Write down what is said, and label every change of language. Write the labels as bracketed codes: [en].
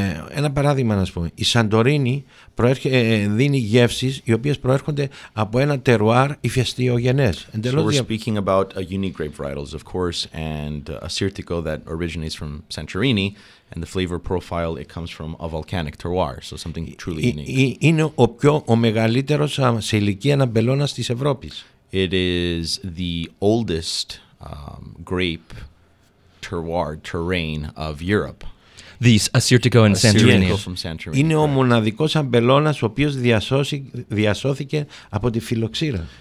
[el] Ένα παράδειγμα να πούμε. Η Σαντορίνη δίνει γεύσεις οι οποίες προέρχονται από ένα τερουάρ ηφαιστειογενές. [en] So we're speaking about a unique grape varietals, of course, and a Syrtiko that originates from Santorini, and the flavor profile, it comes from a volcanic terroir, so something truly unique. [el] Είναι ο μεγαλύτερος σε ηλικία αναμπελώνας της Ευρώπης. [en] It is the oldest grape terroir, terrain of Europe. These Assyrtiko and Santorini. [el] Είναι ο μοναδικός αμπελώνας ο οποίος διασώθηκε από τη φιλοξήρα.